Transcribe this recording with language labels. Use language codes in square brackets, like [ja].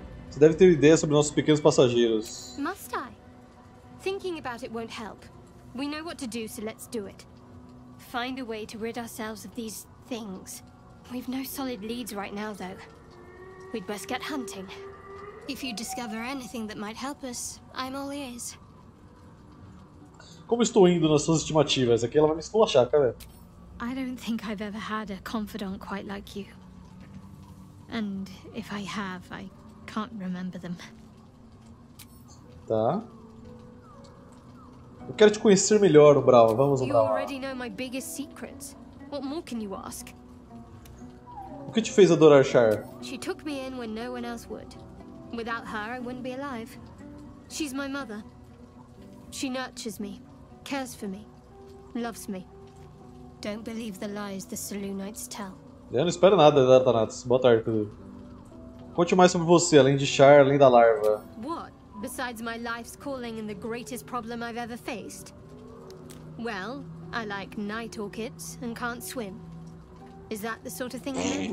[pt] Você deve ter ideia sobre nossos pequenos passageiros. [en] Must I? Thinking about it won't help. We know what to do, so let's do it. Find a way to rid ourselves of these things. We've no solid leads right now, though. We'd best get hunting. If you discover anything that might help us, I'm all ears. [pt] Como estou indo nas suas estimativas? Aqui ela vai me esculachar, cara. [en] I don't think I've ever had a confidant quite like you. And if I have, I can't remember them. [pt] Tá. Eu quero te conhecer melhor, Brava. Vamos, Brava. [en] You already know my biggest secrets. What more can you ask? [pt] O que te fez adorar Char? [en] She took me in when no one else would. Without her, I wouldn't be alive. She's my mother. She nurtures me, cares for me, loves me. Don't believe the lies the Saloonites tell. [pt] Eu não espero nada, Thanatos. Boa tarde, tudo. Conte mais sobre você, além de Char, além da larva. [en] What? Besides my life's calling and the greatest problem I've ever faced? Well, I like night orchids and can't swim. Is that the sort of thing you mean?